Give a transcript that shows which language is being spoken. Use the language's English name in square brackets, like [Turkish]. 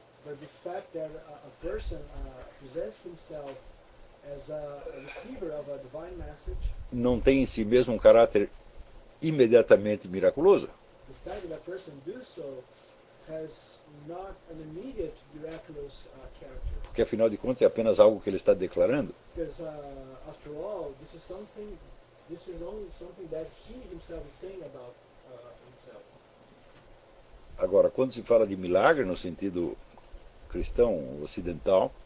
[Portuguese] mas o fato de uma pessoa apresentar-se como receiver de uma divina mensagem, não tem em si mesmo um caráter imediatamente miraculoso. O fato de uma pessoa fazer isso [English] has not an immediate miraculous character. [Portuguese] Porque afinal de contas é apenas algo que ele está declarando. [English] Because after all, this is only something that he himself is saying about himself. [Portuguese] Agora, quando se fala de milagre no sentido cristão ocidental,